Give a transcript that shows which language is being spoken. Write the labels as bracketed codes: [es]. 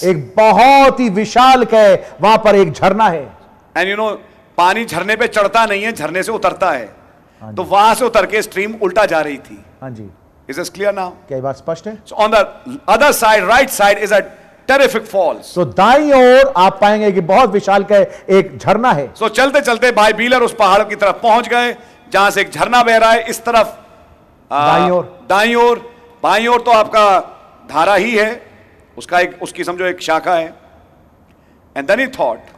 [hi] एक बहुत ही विशाल कह वहां पर एक झरना है [en] And you know, [hi] पानी झरने पे चढ़ता नहीं है झरने से उतरता है तो वहां से उतर के स्ट्रीम उल्टा जा रही थी हाँ जी [en] Is this clear now? [hi] क्या ये बात स्पष्ट है [en] So on the other side, right side is a terrific falls. [hi] So दाईं ओर आप पाएंगे कि बहुत विशाल कह एक झरना है So चलते चलते भाई बीलर उस पहाड़ की तरफ पहुंच गए जहां से एक झरना बह रहा है इस तरफ दाईं ओर बाईं ओर तो आपका धारा ही है उसका एक उसकी समझो एक शाखा है [en] and then he thought